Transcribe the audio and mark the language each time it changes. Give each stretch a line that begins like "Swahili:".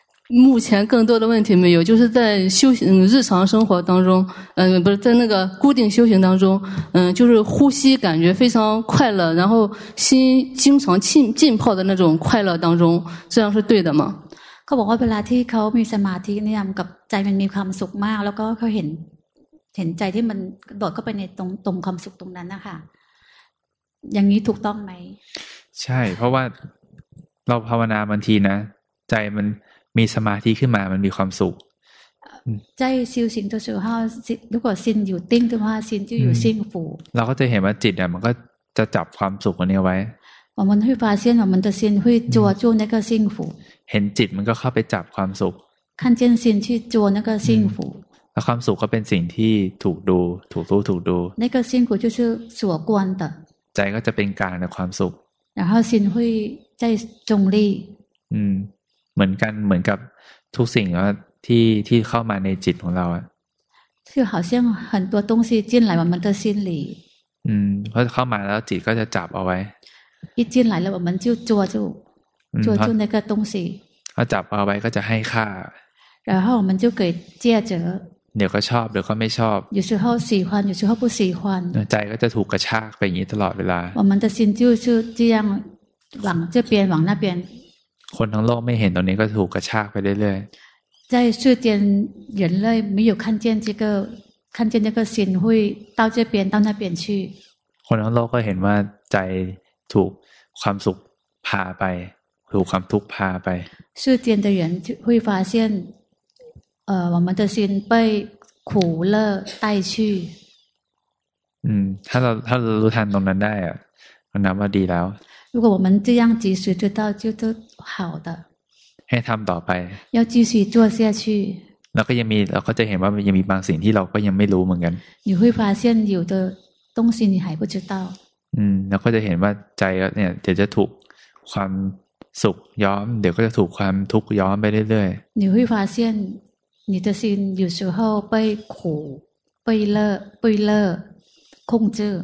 Chinese: 目前更多的问题没有就是在修行日常生活当中不是在那个固定修行当中就是呼吸感觉非常快乐然后心经常浸泡的那种快乐当中这样是对的吗
Thai: เขาบอกว่าเวลาที่เขามีสมาธิเนี่ยกับใจมันมีความสุขมากแล้วก็เขาเห็นใจที่มันโดดเข้าไปในตรงความสุขตรงนั้นนะคะอย่างนี้ถูกต้องไหม ใช่เพราะว่า เราภาวนาบางทีนะใจมันมีสมาธิขึ้นมามันมีความสุข
Chinese: ใจ修行的时候如果心有定的话心就有幸福
Thai: เราก็จะเห็นว่าจิตมันก็จะจับความสุขนี้ไว้
Chinese: 我们会发现我们的心会捉住那个幸福
Thai: เห็นจิตมันก็เข้าไปจับความสุข
Chinese: 看见心去捉那个幸福
Thai: แล้วความสุขก็เป็นสิ่งที่ถูกดูถูกรู้ถูกดู
Chinese: 那个幸福就是所观的
Thai: ใจก็จะเป็นกลางในความสุข
Chinese: 然后心会在中立
Thai: เหมือนกันเหมือนกับทุกสิ่งที่เข้ามาในจิตของเรา
Chinese: คือ好像很多东西进来我们的心里
Thai: พอเข้ามาแล้วจิตก็จะจับเอาไว้
Chinese: 一进来了我们就捉住捉住那个东西
Thai: พอจับเอาไว้ก็จะให้ค่า
Chinese: 然后我们就给戒指
Thai: เดี๋ยวก็ชอบเดี๋ยวก็ไม่ชอบ
Chinese: 有时候喜欢有时候不喜欢
Thai: ใจก็จะถูกกระชากไปอย่างนี้ตลอดเวลา
Chinese: 我们的心就是这样往这边往那边
Thai: คนทั้งโลกไม่เห็นตรงนี้ก็ถูกกระชากไปเรื่อย
Chinese: ๆใจ世间人类没有看见这个看见这个心会到这边到那边去
Thai: คนทั้งโลกก็เห็นว่าใจถูกความสุขพาไปถูกความทุกข์พาไป
Chinese: 世间的人会发现我们的心被苦乐带去
Thai: ถ้ารู้ทันตรงนั้นได้อ่ะก็นับว่าดีแล้ว
Chinese: 如果我们这样及时知道就都好的
Thai: ให้ทำต่อไป
Chinese: 要继续做下去
Thai: แล้วก็ยังมีเราก็จะเห็นว่ามันยังมีบางสิ่งที่เราก็ยังไม่รู้เหมือนกัน
Chinese: 你会发现有的东西你还不知道
Thai: แล้วก็จะเห็นว่าใจเนี่ยเดี๋ยวจะถูกความสุขย้อมเดี๋ยวก็จะถูกความทุกข์ย้อมไปเรื่อย
Chinese: ๆ你会发现你的心有时候被苦被乐被乐控制